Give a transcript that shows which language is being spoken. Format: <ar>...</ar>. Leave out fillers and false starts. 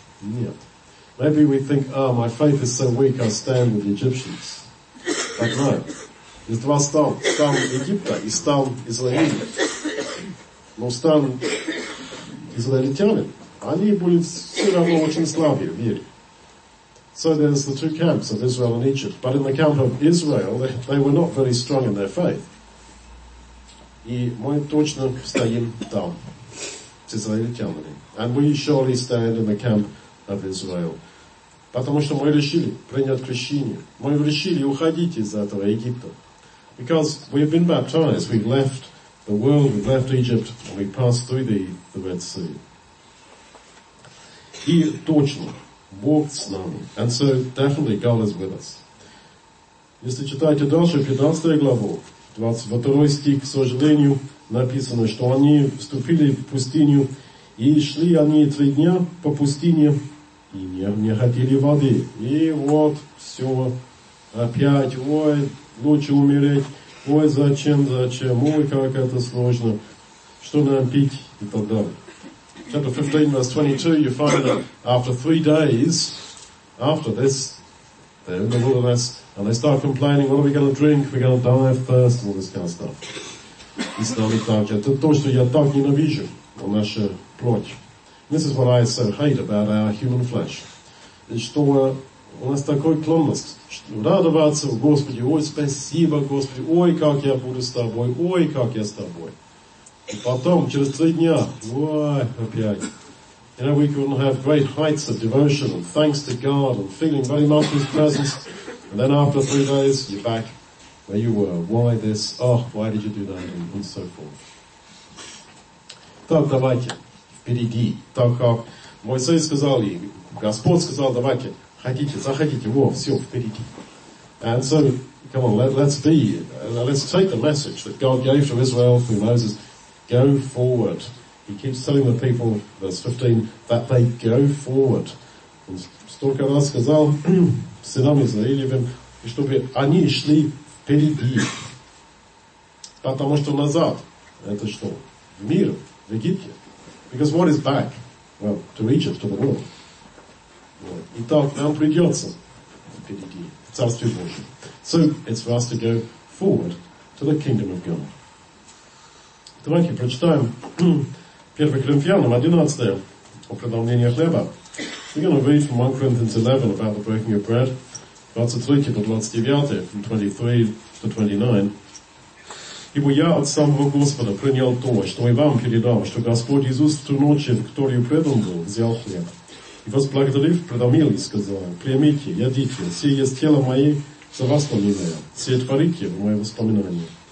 <ru>Нет.</ru> <en>Maybe we think, ah, my faith is so weak, I stand with the Egyptians. But no.</en> <ru>Есть два стана. Стан Египта и стан Израиля. Но стан израильтянин, они были все равно очень слабые в вере.</ru> <en>So there's the two camps of Israel and Egypt. But in the camp of Israel, they were not very strong in their faith.</en> <ru>И мы точно стоим там, с израильтянами.</ru> <en>And we surely stand in the camp of Israel.</en> <ru>Потому что мы решили принять крещение. Мы решили уходить из этого Египта.</ru> <en>Because we've been baptized, we've left the world, we've left Egypt, and we passed through the Red Sea.</en> <ru>И точно. Бог с нами.</ru> <en>And so, definitely, God is with us.</en> <ru>Если читаете дальше, 15 главу, 22 стих, к сожалению, написано, что они вступили в пустыню, и шли они 3 дня по пустыне, и не хотели воды. И вот, все, опять, ой, лучше умереть, ой, зачем, ой, как это сложно, что нам пить, и так далее.</ru> <en>Chapter 15, verse 22, you find that after 3 days, after this, they're in the wilderness, and they start complaining, what are we going to drink? We're going to die of thirst, all this kind of stuff. It's not like that.</en> <ru>Это то, что я так ненавижу, о наша плоть.</ru> <en>This is what I so hate about our human flesh.</en> <ru>Что у нас такой клонность, радоваться в Господе, ой, спасибо, Господи, ой, как я буду с тобой, ой, как я с тобой. И потом, через 3 дня, ой, опять.</ru> <en>You know, we couldn't have great heights of devotion and thanks to God and feeling very much His presence. And then after 3 days, you're back where you were. Why this? Oh, why did you do that? And so forth.</en> <ru>Так, давайте. впереди. Так как Моисей сказал, и Господь сказал, давайте, ходите, заходите, во, все, впереди.</ru> <en>And so, come on, let's take the message that God gave to Israel through Moses. Go forward. He keeps telling the people, verse 15, that they go forward.</en> <ru>Он столько раз сказал сынам Израилевым, чтобы они шли впереди. Потому что назад, это что? В мир, в Египте.</ru> <en>Because what is back? Well, to Egypt, to the world.</en> <ru>Итак, нам придется впереди, в Царстве Божьем.</ru> <en>So, it's for us to go forward to the kingdom of God.</en> <ru>Давайте прочитаем 1 Коринфянам 11 о преломлении хлеба.</ru> <en>We're going to read from 1 Corinthians 11 about the breaking of bread, 23 to 29, from 23 to 29.</en> <ru>Ибо я от самого Господа принял то, что и вам передал, что Господь Иисус в ту ночь, в которую предан был, взял хлеб. И возблагодарив, преломил и сказал, примите, едите, все есть тело мое, за вас поминаю, все творите в мое воспоминание.</ru>